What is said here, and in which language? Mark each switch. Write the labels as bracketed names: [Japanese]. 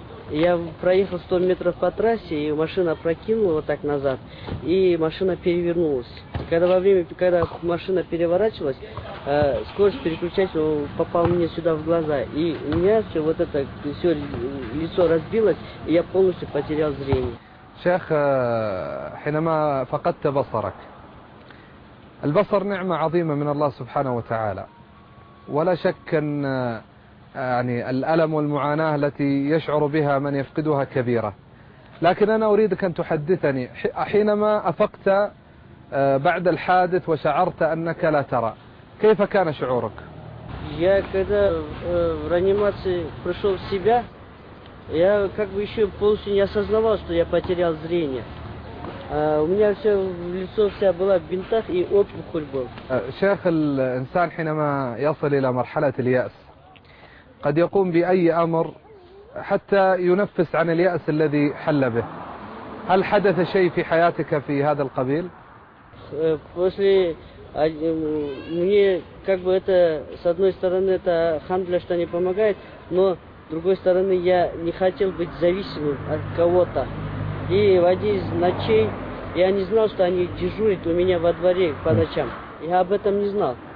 [Russian] Я проехал 100 метров по трассе, и машина прокинула вот так назад, и машина перевернулась. И когда когда машина переворачивалась, скорость переключателя попала мне сюда в глаза, и у меня все вот это все лицо разбилось, и я полностью потерял зрение. [Arabic] Шейх, حينما فقدت بصرك، البصر نعمة عظيمة من الله سبحانه وتعالى، ولا شك أن يعني الألم والمعاناة التي يشعر بها من يفقدها كبيرة، لكن أنا أريدك أن تحدثني حينما أفقت بعد الحادث وشعرت أنك لا ترى، كيف كان شعورك؟ [Russian] Я когда в реанимации пришел в себя, я как бы еще полностью не осознавал, что я потерял зрение. У меня все лицо вся была в бинтах и опухоль был. [Arabic] شيخ، الإنسان حينما يصل إلى مرحلة اليأس قد يقوم بأي أمر حتى ينفس عن اليأس الذي حل به. هل حدث شيء في حياتك في هذا القبيل؟ [Russian] После мне как бы это с одной стороны это хандля что не помогает, но с другой стороны я не хотел быть зависимым от кого-то. И в один из ночей я не знал, что они дежурят у меня во дворе по ночам. Я об этом не знал.